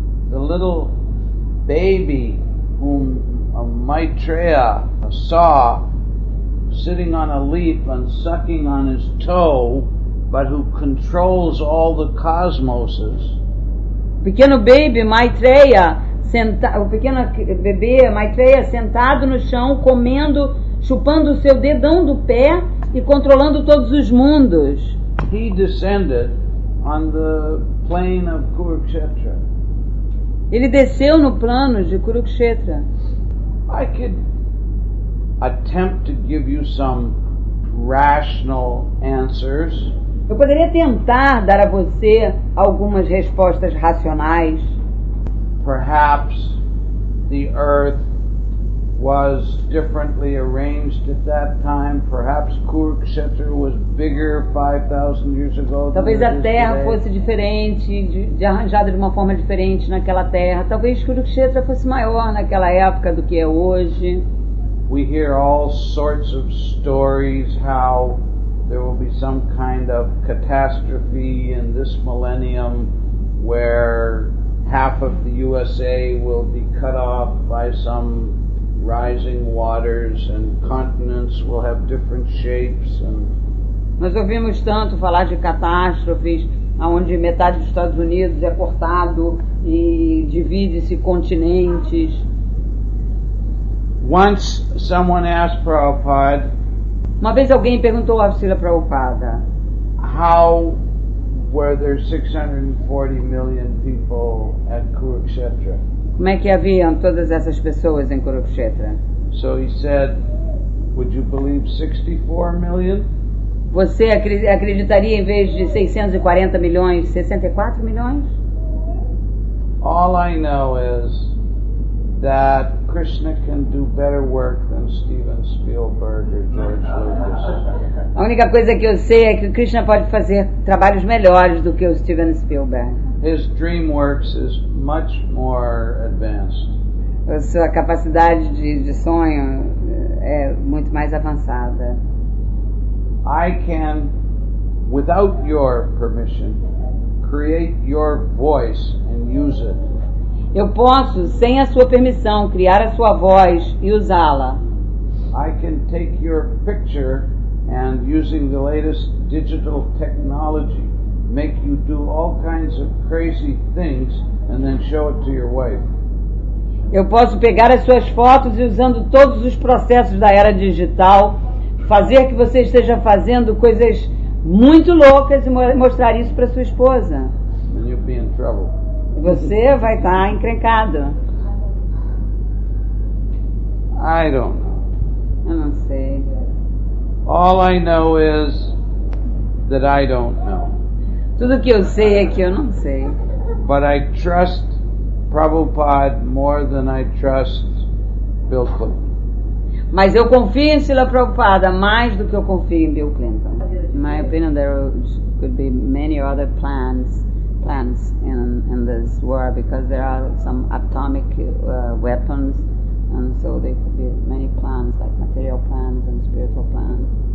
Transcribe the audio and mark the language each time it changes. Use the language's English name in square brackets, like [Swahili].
[English] The little baby whom Maitreya saw sitting on a leaf and sucking on his toe, but who controls all the cosmos. [Portuguese] Pequeno baby Maitreya, o pequeno bebê Maitreya sentado no chão, comendo, chupando o seu dedão do pé e controlando todos os mundos. [English] He descended on the plane of Kurukshetra. [Portuguese] Ele desceu no plano de Kurukshetra. [English] I could attempt to give you some rational answers. [Portuguese] Eu poderia tentar dar a você algumas respostas racionais. [English] Perhaps the earth was differently arranged at that time. Perhaps Kurukshetra was bigger 5,000 years ago. [Portuguese] Talvez a terra fosse diferente, de arranjada de uma forma diferente naquela terra. Talvez Kurukshetra fosse maior naquela época do que é hoje. [English] We hear all sorts of stories how there will be some kind of catastrophe in this millennium where half of the USA will be cut off by some rising waters and continents will have different shapes. And [Portuguese] nós ouvimos tanto falar de catástrofes aonde metade dos Estados Unidos é cortado e divide-se continentes. [English] Once someone asked Prabhupada, [Portuguese] uma vez alguém perguntou a Srila Prabhupada, [English] how were there 640 million people at Kurukshetra? [Portuguese] Como é que haviam todas essas pessoas em Kurukshetra? [English] So he said, would you believe 64 million? [Portuguese] Você acreditaria, em vez de 640 milhões, 64 milhões? [English] All I know is that Krishna can do better work than Steven Spielberg or George Lucas. [Portuguese] A única coisa que eu sei é que Krishna pode fazer trabalhos melhores do que o Steven Spielberg. [English] His DreamWorks is much more advanced. [Portuguese] A sua capacidade de sonho é muito mais avançada. [English] I can, without your permission, create your voice and use it. [Portuguese] Eu posso, sem a sua permissão, criar a sua voz e usá-la. [English] I can take your picture and, using the latest digital technology, make you do all kinds of crazy things and then show it to your wife. [Portuguese] Eu posso pegar as suas fotos e, usando todos os processos da era digital, fazer que você esteja fazendo coisas muito loucas e mostrar isso para sua esposa. [English] And you'll be in trouble. [Portuguese] Você vai estar encrencado. [English] I don't know. [Portuguese] Eu não sei. [English] All I know is that I don't know. [Portuguese] Tudo que eu sei é que eu não sei. [English] But I trust Prabhupada more than I trust Bill Clinton. [Portuguese] Mas eu confio em Srila Prabhupada mais do que eu confio em Bill Clinton. [English] In my opinion, there could be many other plans in this war, because there are some atomic weapons, and so there could be many plans, like material plans and spiritual plans.